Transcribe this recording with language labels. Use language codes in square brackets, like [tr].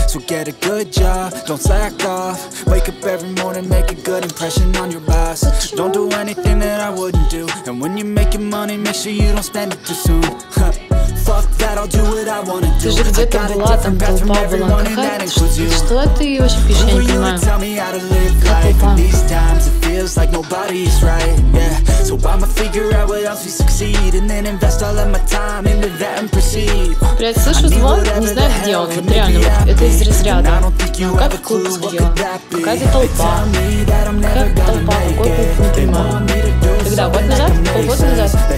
[en] So get a good job, don't slack off. Wake up every morning, make a good impression on your boss. Don't do anything that I wouldn't do. And when you're making money, make sure you don't spend it too soon. Fuck that, I'll do what I wanna do. [ru] Ты же где-то была, там толпа была. Что ты вообще пишешь, я не понимаю. [en] Tell me how to live life in these times. It feels like nobody's right, yeah. So I'ma figure out what else we succeed. And then invest all of my time into that and proceed. [ru] Блять, слышу звон, не знаю где он, вот реально, вот это из разряда. Ну как в клуб сходила? Какая-то толпа. Какая-то толпа, какой клуб, не понимаю. Когда, год назад? Полгода назад?